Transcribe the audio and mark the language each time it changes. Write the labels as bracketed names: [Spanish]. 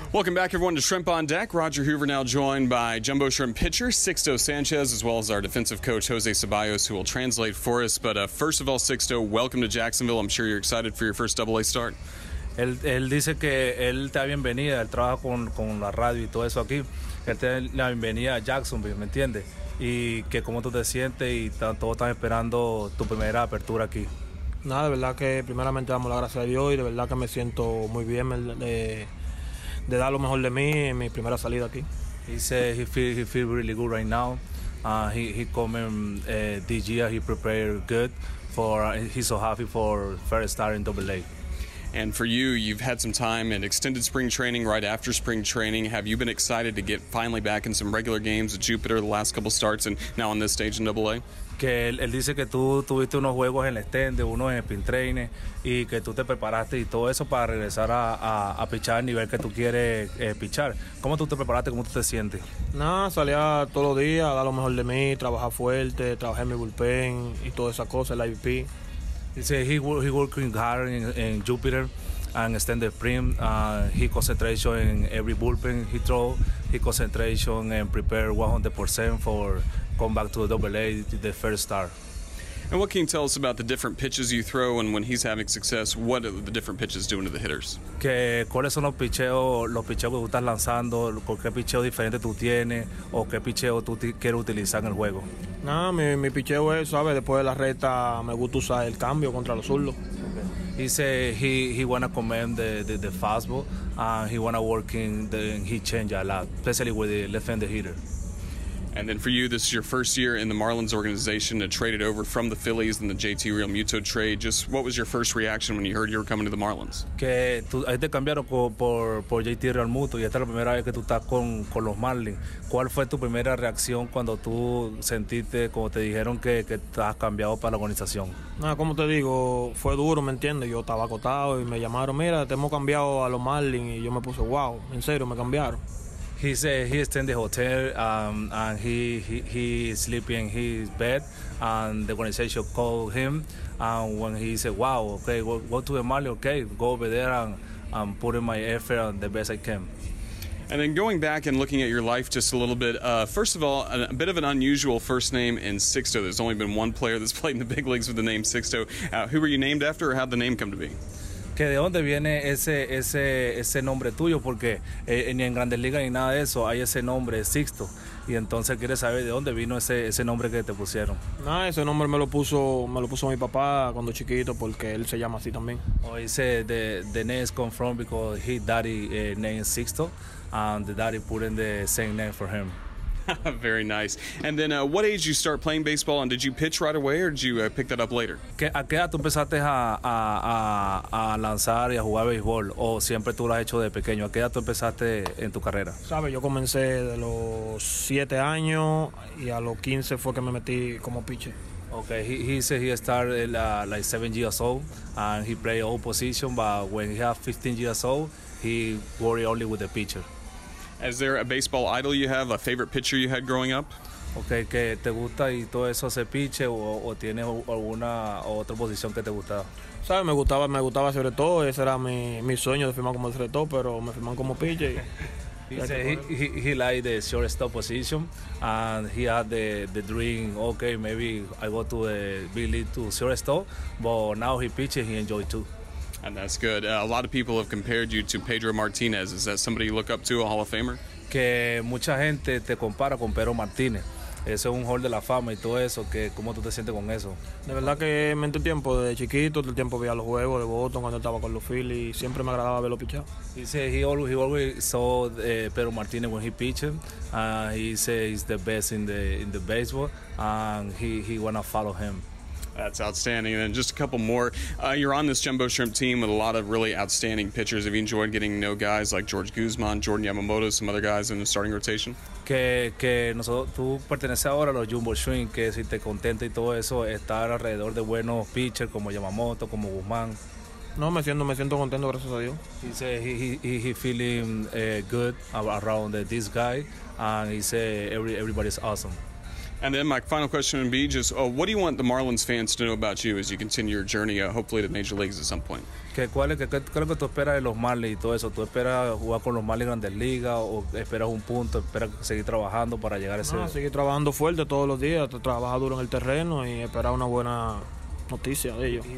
[English] Welcome back, everyone, to Shrimp on Deck. Roger Hoover now joined by Jumbo Shrimp pitcher Sixto Sanchez, as well as our defensive coach Jose Ceballos, who will translate for us. But first of all, Sixto, welcome to Jacksonville. I'm sure you're excited for your first Double-A start. [Spanish] Él dice que él te da bienvenida. Él trabaja con la radio y todo eso aquí. Él te da la bienvenida a Jacksonville, ¿me entiendes? Y que cómo tú te sientes y todos están esperando tu primera apertura aquí. Nada, de verdad que primeramente damos la gracia a Dios y de verdad que me siento muy bien de dar lo mejor de mí en mi primera salida aquí. [English] He said he feel really good right now. He come in DG, he prepared good for, he's so happy for first start in Double A. And for you, you've had some time in extended spring training, right after spring training. Have you been excited to get finally back in some regular games at Jupiter the last couple starts and now on this stage in Double A? [Spanish] Que él dice que tú tuviste unos juegos en el extended, unos en spring training, y que tú te preparaste y todo eso para regresar a pichar al nivel que tú quieres pichar. ¿Cómo tú te preparaste? ¿Cómo tú te sientes? Nada, salía todos los días a dar lo mejor de mí, trabajar fuerte, trabajar en mi bullpen y todas esas cosas, el IVP. [English] He working hard in Jupiter and extended spring. He concentration in every bullpen he throw. He concentration and prepare 100% for come back to the Double A, the first start. And what can you tell us about the different pitches you throw, and when he's having success, what are the different pitches doing to the hitters? [Spanish] Que cuáles son los picheos que tú estás lanzando, qué picheo diferente tú tienes, o qué picheo tú quieres utilizar en el juego. Nada, mi picheo es, sabes, después de la recta me gusta usar el cambio contra los zurdos. [English] He said he wanna command the fastball, and he wanna work in the he change a lot, especially with the left-handed hitter. And then for you, this is your first year in the Marlins organization, to trade it over from the Phillies and the JT Real Muto trade. Just what was your first reaction when you heard you were coming to the Marlins? [Spanish] Que tú te cambiaron por JT Real Muto y esta es la primera vez que tú estás con los Marlins. ¿Cuál fue tu primera reacción cuando tú sentiste, como te dijeron, que estás cambiado para la organización? Nada, como te digo, fue duro, ¿me entiendes? Yo estaba acotado y me llamaron, mira, te hemos cambiado a los Marlins, y yo me puse, wow, en serio, me cambiaron. [English] He said he stay in the hotel and he sleep in his bed, and the organization called him, and when he said, wow, okay, go to the Marlins, okay, go over there and put in my effort and the best I can. And then going back and looking at your life just a little bit, first of all, a bit of an unusual first name in Sixto. There's only been one player that's played in the big leagues with the name Sixto. Who were you named after, or how'd the name come to be? [Spanish] Que de dónde viene ese nombre tuyo, porque ni en Grandes Ligas ni nada de eso hay ese nombre, Sixto. Y entonces quiere saber de dónde vino ese nombre que te pusieron. Nah, ese nombre me lo puso mi papá cuando chiquito, porque él se llama así también. [English] Oh, dice the name is come from because his daddy name is Sixto, and the daddy put in the same name for him. Very nice. And then what age you start playing baseball, and did you pitch right away, or did you pick that up later? [Spanish] ¿A qué edad tú empezaste a lanzar y a jugar béisbol, o siempre tú lo has hecho de pequeño? ¿A qué edad tú empezaste en tu carrera? Sabes, yo comencé de los 7 años, y a los 15 fue que me metí como pitcher. [English] Okay, he said he started like 7 years old, and he played all position, but when he was 15 years old, he worried only with the pitcher. Is there a baseball idol you have, a favorite pitcher you had growing up? [Spanish] Okay, que te gusta y todo eso se piche, o tienes alguna otra posición que te gustaba. Sabes, me gustaba sobre todo, ese era mi sueño de firmar como sobre todo, pero me firman como piche. [English] He liked the shortstop position, and he had the dream, okay, maybe I go to big league to shortstop, but now he pitches, he enjoys too. And that's good. A lot of people have compared you to Pedro Martinez. Is that somebody you look up to, a Hall of Famer? [Spanish] Que mucha gente te compara con Pedro Martinez. Ese es un Hall de la Fama y todo eso. Que ¿cómo tú te sientes con eso? De verdad que en todo tiempo, desde chiquito, todo el tiempo veía los juegos de Boston cuando estaba con los Phillies, y siempre me agradaba verlo pichar. [English] He said he always saw Pedro Martinez when he pitched. He said he's the best in the baseball, and he wanna follow him. That's outstanding. And then just a couple more. You're on this Jumbo Shrimp team with a lot of really outstanding pitchers. Have you enjoyed getting to know guys like George Guzman, Jordan Yamamoto, some other guys in the starting rotation? [Spanish] Que nosotros, tú perteneces ahora a los Jumbo Shrimp, que si te contenta y todo eso, estar alrededor de buenos pitchers como Yamamoto, como Guzmán. No, me siento contento, gracias a Dios. [English] He said he feeling good around this guy, and he said everybody's awesome. And then my final question would be just, what do you want the Marlins fans to know about you as you continue your journey, hopefully to major leagues at some point? [Spanish] ¿Qué es lo que tú esperas de los Marlins y todo eso? ¿Tú esperas jugar con los Marlins Grandes Ligas o esperas un punto, esperas seguir trabajando para llegar a ese? Seguir trabajando fuerte todos los días, trabajar duro en el terreno y esperar una buena noticia de ellos.